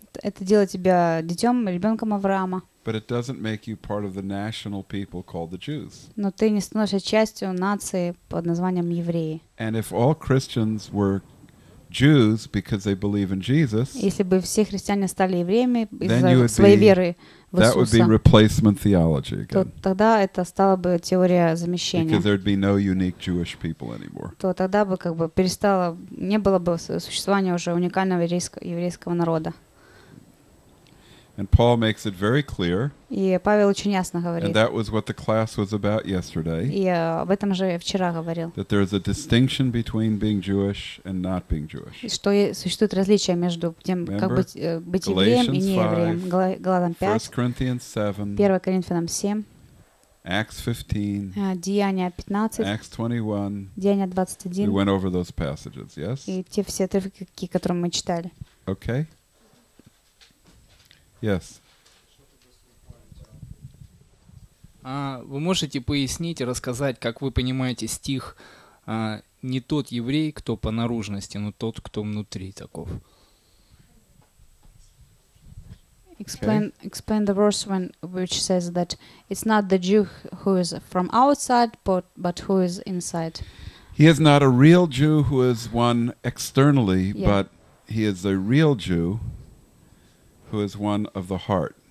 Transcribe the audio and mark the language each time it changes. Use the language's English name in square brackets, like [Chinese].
[Russian] Это делает тебя детем, ребенком Авраама. [English] But it doesn't make you part of the national people called the Jews. [Russian] Но ты не становишься частью нации под названием евреи. [English] And if all Christians were Jews because they believe in Jesus, [Russian] если бы все христиане стали евреями из-за своей веры в Иисуса, [English] that would be replacement theology again. [Russian] То тогда это стала бы теория замещения. [English] Because there'd be no unique Jewish people anymore. [Russian] То тогда бы как бы перестало, не было бы существования уже уникального еврейского народа. [English] And Paul makes it very clear. [Russian] И Павел очень ясно говорит. [English] And that was what the class was about yesterday. [Russian] И об этом же я вчера говорил. [English] That there is a distinction between being Jewish and not being Jewish. [Russian] Что существует различие между тем, как быть евреем и не евреем. Галатам 5. [English] 1 Corinthians 7. [Russian] 1 Коринфянам 7. [English] Acts 15. [Russian] Деяния 15. [English] Acts 21. [Russian] Деяния 21. [English] We went over those passages, yes? [Russian] И те все отрывки, которые мы читали. [English] Okay. Yes. [Russian] Вы можете пояснить, рассказать, как вы понимаете стих «не тот еврей, кто по наружности, но тот, кто внутри таков»? [English] Explain the verse which says that it's not the Jew who is from outside, but who is inside. He is not a real Jew who is one externally, yeah. But he is a real Jew who is one of the heart.